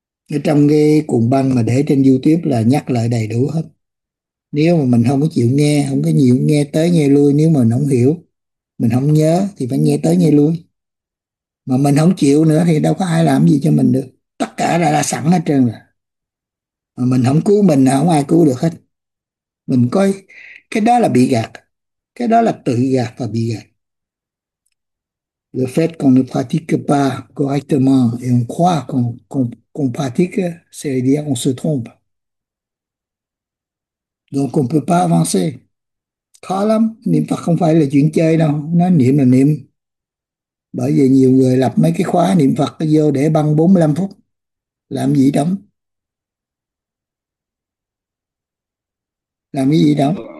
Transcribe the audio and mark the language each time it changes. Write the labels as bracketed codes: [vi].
[vi] Ở trong cái cuộn băng mà để trên YouTube là nhắc lại đầy đủ hết, nếu mà mình không có chịu nghe, không có chịu nghe tới nghe lui, nếu mà mình không hiểu mình không nhớ thì phải nghe tới nghe lui, mà mình không chịu nữa thì đâu có ai làm gì cho mình được, tất cả là sẵn hết trơn rồi, mà mình không cứu mình là không ai cứu được hết. Mình coi cái đó là bị gạt, cái đó là tự gạt và bị gạt. [fr] Le fait qu'on ne pratique pas correctement et on croit qu'on pratique, c'est dire qu'on se trompe. Donc on peut pas avancer. [vi] Khó lắm, niệm Phật không phải là chuyện chơi đâu, nói niệm là niệm. Bởi vì nhiều người lập mấy cái khóa niệm Phật vô để băng 45 phút, làm gì đâu, làm cái gì đâu.